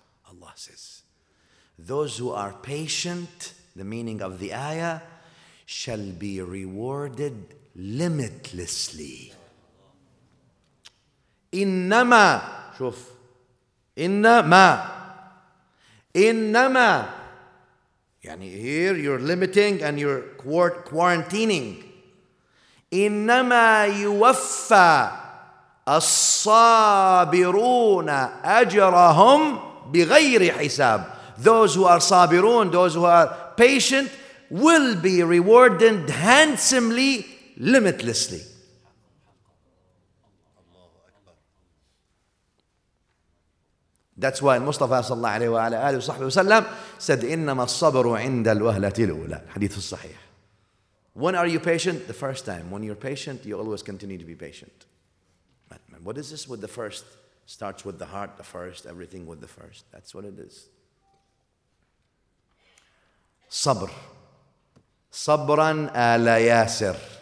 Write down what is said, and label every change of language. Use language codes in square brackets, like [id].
[en] Allah says, those who are patient, the meaning of the ayah, shall be rewarded limitlessly. [ar] إِنَّمَا, شوف, إِنَّمَا, إِنَّمَا, يعني [en] here you're limiting and you're quarantining. [ar] إنما يوفى الصابرون أجرهم بغير حساب. [en] Those who are صابرون, those who are patient, will be rewarded handsomely, limitlessly. That's why [ar] المصطفى صلى الله عليه وعلى آله وصحبه وسلم [en] said [ar] إنما الصبر عند الوهلة الأولى. حديث الصحيح. [en] When are you patient? The first time. When you're patient, you always continue to be patient. What is this with the first? Starts with the heart, the first, everything with the first. That's what it is. [ar] صبر. صبرا آل ياسر.